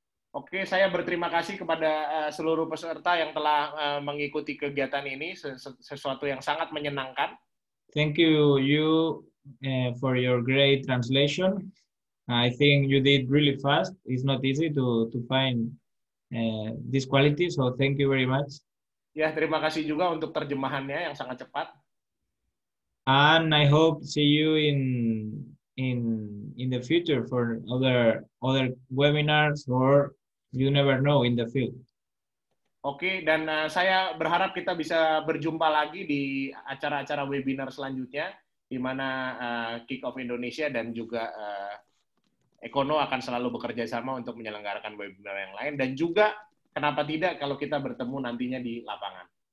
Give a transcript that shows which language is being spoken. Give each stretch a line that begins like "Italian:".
Indonesian: Okay, saya berterima kasih kepada seluruh peserta yang telah mengikuti kegiatan ini, sesuatu yang sangat menyenangkan.
English: Thank you for your great translation. I think you did really fast. It's not easy to find this quality, so thank you very much.
Indonesian: Ya, terima kasih juga untuk terjemahannya yang sangat cepat.
English: And I hope to see you in the future for other webinars or you never know in the field.
Indonesian: Okay, dan saya berharap kita bisa berjumpa lagi di acara-acara webinar selanjutnya di mana Kickoff Indonesia dan juga Ekono akan selalu bekerja sama untuk menyelenggarakan webinar yang lain dan juga kenapa tidak kalau kita bertemu nantinya di lapangan.